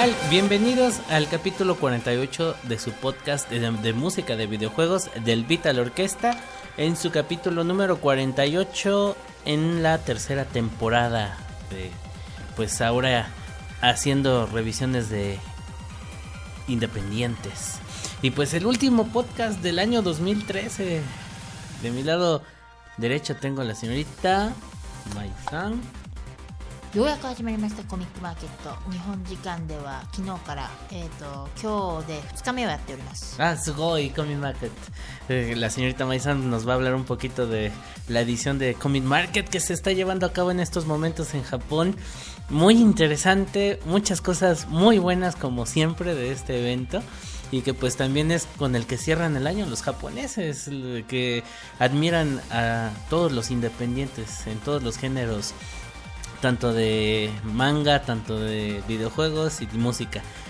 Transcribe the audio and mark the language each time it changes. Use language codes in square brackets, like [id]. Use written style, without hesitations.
[es] Bienvenidos al capítulo 48 de su podcast de música de videojuegos del Vital Orquesta, en su capítulo número 48 en la tercera temporada de, pues ahora haciendo revisiones de independientes. Y pues el último podcast del año 2013. De mi lado derecho tengo a la señorita Maizan. [ja] ようやく始まりましたコミックマーケット。日本時間では昨日から、今日で2日目をやっております。あ、すごい。 [es] コミックマーケット、la señorita Mai San nos va a hablar un poquito de la edición de Comic Market que se está llevando a cabo en estos momentos en Japón. Muy interesante, muchas cosas muy buenas como siempre de este evento, y que pues también es con el que cierran el año los japoneses, que admiran a todos los independientes en todos los géneros, tanto de manga, tanto de videojuegos y de música.